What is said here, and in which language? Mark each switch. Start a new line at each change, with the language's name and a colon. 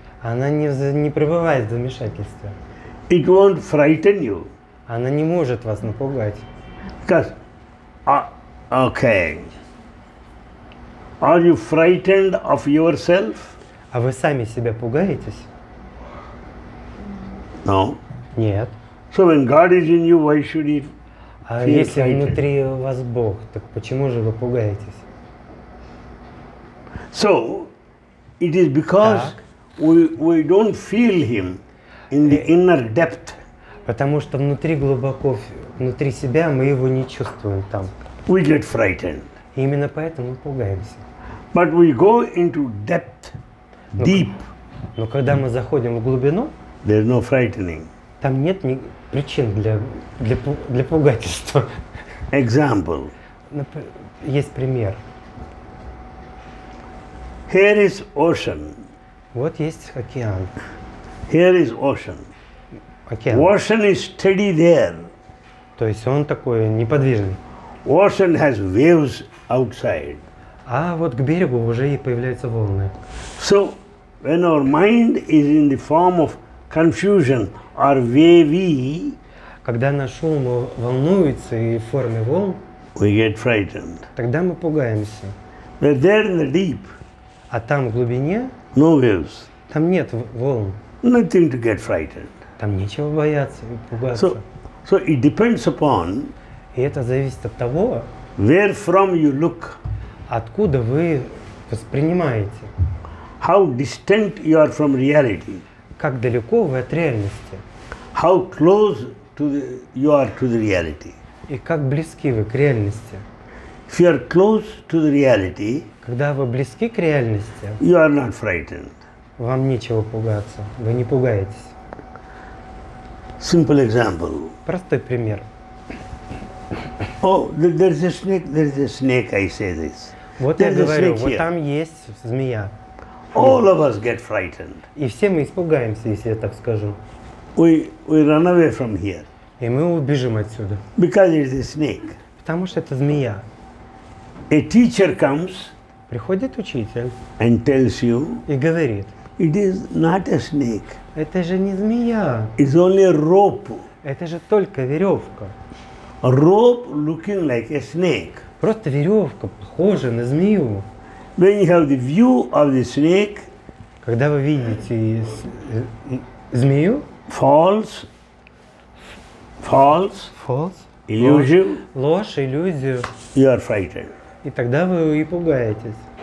Russian: Она не пребывает в замешательстве.
English: It won't frighten you.
Russian: Она не может вас напугать.
English: Because, okay. Are you frightened of yourself?
Russian: А вы сами себя пугаетесь?
English: No.
Russian: Нет.
English: So when God is in you, why should He feel frightened?
Russian: А если внутри вас Бог, так почему же вы пугаетесь?
English: So it is because we don't feel Him in the inner depth.
Russian: Потому что внутри глубоко, внутри себя мы его не чувствуем там.
English: We get frightened.
Russian: И именно поэтому мы пугаемся.
English: But we go into depth, deep.
Russian: Но когда мы заходим в глубину,
English: there's no frightening.
Russian: Там нет ни причин для пугательства.
English: Example.
Russian: Есть пример.
English: Here is ocean.
Russian: Вот есть океан.
English: Here is ocean.
Russian: Океан.
English: Ocean is steady there.
Russian: То есть он такой неподвижный.
English: Ocean has waves outside.
Russian: А вот к берегу уже и появляются волны.
English: So when our mind is in the form of confusion or wavy,
Russian: когда наш ум волнуется и в форме волн,
English: we get frightened.
Russian: Тогда мы пугаемся.
English: But there in the deep,
Russian: а там в глубине,
English: no waves.
Russian: Там нет волн.
English: Nothing to get frightened.
Russian: Там нечего бояться и пугаться.
English: So it depends upon.
Russian: И это зависит от того,
English: where from you look.
Russian: Откуда вы воспринимаете.
English: How distant you are from reality.
Russian: Как далеко вы от реальности?
English: How close to you are to the reality?
Russian: И как близки вы к реальности?
English: If you are close to the reality,
Russian: когда вы близки к реальности,
English: you are not frightened.
Russian: Вам нечего пугаться, вы не пугаетесь.
English: Simple example.
Russian: Простой пример.
English: Oh, there's a snake, I say this.
Russian: Вот
English: there's
Russian: я говорю, вот там есть змея.
English: All of us get frightened.
Russian: И все мы испугаемся, если я так скажу.
English: We run away from here.
Russian: И мы убежим отсюда.
English: Because it's a snake.
Russian: Потому что это змея.
English: A teacher comes.
Russian: Приходит учитель.
English: And tells you.
Russian: И говорит.
English: It is not a snake.
Russian: Это же не змея.
English: It's only a rope.
Russian: Это же только веревка.
English: A rope looking like a snake.
Russian: Просто веревка, похожая на змею.
English: When you have the view of the snake,
Russian: когда вы видите змею,
English: false,
Russian: illusion, ложь, иллюзию,
English: you are frightened.
Russian: И тогда вы и пугаетесь.